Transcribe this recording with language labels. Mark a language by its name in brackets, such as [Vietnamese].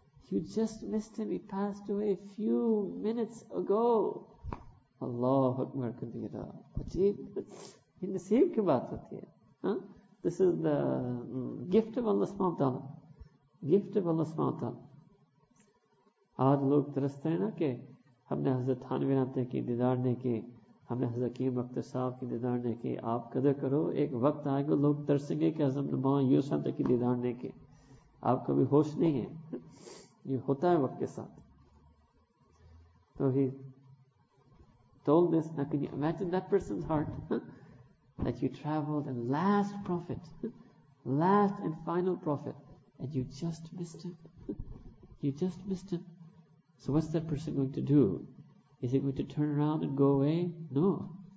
[English] You just missed him. He passed away a few minutes ago. [Arabic] Allahu Akbar kabira. [English] This is the gift of Allah subhanahu wa ta'ala. Gift of Allah subhanahu wa ta'ala. [Urdu] آج لوگ ترستا ہے نا کہ ہم نے حضرت تھانوی رام کی دیدار نہیں کی، ہم نے حضرت حکیم اختر صاحب کی دیدار نہیں کی، آپ قدر کرو، ایک وقت آئے گا لوگ ترسیں گے کہ حضرت نوبان یوسف کی دیدار نہیں کی۔ آپ کا بھی ہوش نہیں ہے۔ یہ ہوتا ہے وقت کے ساتھ۔ [English] So he told this, now can you imagine that person's heart? That you traveled and last prophet, last and final prophet, and you just missed him. You just missed him. So what's that person going to do? Is he going to turn around and go away? No.